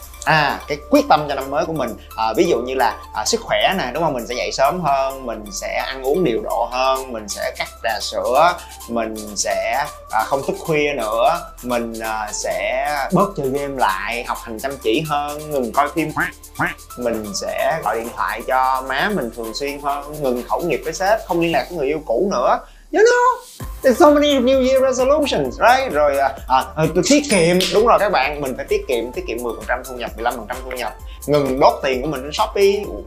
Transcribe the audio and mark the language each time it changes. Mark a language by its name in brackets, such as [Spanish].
[Vietnamese] À, cái quyết tâm cho năm mới của mình. Ví dụ như là sức khỏe nè, đúng không? Mình sẽ dậy sớm hơn, mình sẽ ăn uống điều độ hơn, mình sẽ cắt trà sữa, mình sẽ không thức khuya nữa, mình sẽ bớt chơi game lại, học hành chăm chỉ hơn, ngừng coi phim, mình sẽ gọi điện thoại cho má mình thường xuyên hơn, ngừng khẩu nghiệp với sếp, không liên lạc với người yêu cũ nữa. [English] You know, there's so many New Year resolutions, right? [Vietnamese] Rồi tiết kiệm, đúng rồi các bạn, mình phải tiết kiệm 10% thu nhập, 15% thu nhập, ngừng đốt tiền của mình đến Shopee.